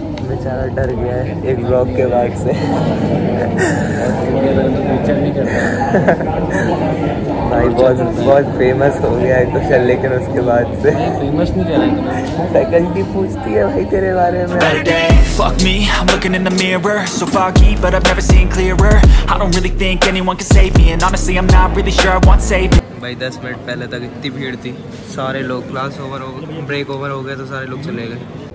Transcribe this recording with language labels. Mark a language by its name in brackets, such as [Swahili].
[Hindi] बेचारा डर गया है एक ब्लॉग के बाद से। भाई बहुत फेमस हो गया है कुछ, लेकिन उसके बाद से फेमस नहीं है। सेकंड की पूछती है भाई तेरे बारे में। [English] Fuck me, I'm looking in the mirror, so foggy, but I've never seen clearer. I don't really think anyone can save me, and honestly, I'm not really sure I want saving. [Hindi] भाई 10 minute पहले तक इतनी भीड़ थी, सारे लोग class over हो गए, ब्रेक ओवर हो गए तो सारे लोग चले गए।